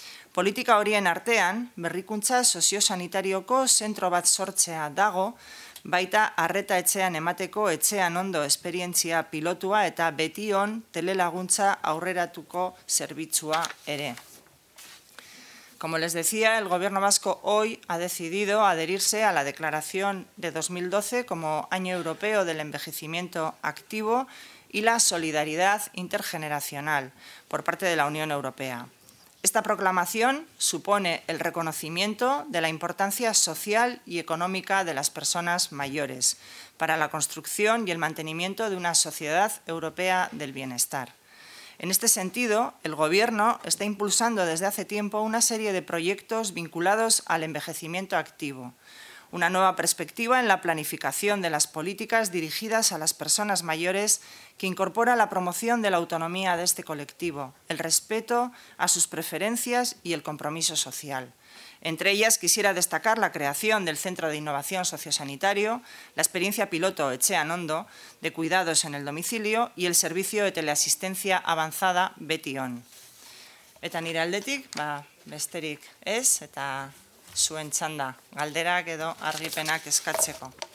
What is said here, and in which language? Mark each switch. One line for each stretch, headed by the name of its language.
Basque: Politika horien artean, berrikuntza soziosanitarioko zentro bat sortzea dago, baita arreta etxean emateko etxean ondo esperientzia pilotua eta beti on telelaguntza aurreratuko zerbitzua ere.
Spanish: Como les decía, el Gobierno Vasco hoy ha decidido adherirse a la declaración de 2012 como Año Europeo del Envejecimiento Activo y la Solidaridad Intergeneracional por parte de la Unión Europea. Esta proclamación supone el reconocimiento de la importancia social y económica de las personas mayores para la construcción y el mantenimiento de una sociedad europea del bienestar. En este sentido, el Gobierno está impulsando desde hace tiempo una serie de proyectos vinculados al envejecimiento activo, una nueva perspectiva en la planificación de las políticas dirigidas a las personas mayores que incorpora la promoción de la autonomía de este colectivo, el respeto a sus preferencias y el compromiso social. Entre ellas quisiera destacar la creación del Centro de Innovación Sociosanitario, la experiencia piloto Etxean Ondo de cuidados en el domicilio y el servicio de teleasistencia avanzada Betion.
Basque: Eta nire aldetik, ba, besterik ez, eta zuen txanda, galderak edo argipenak eskatzeko.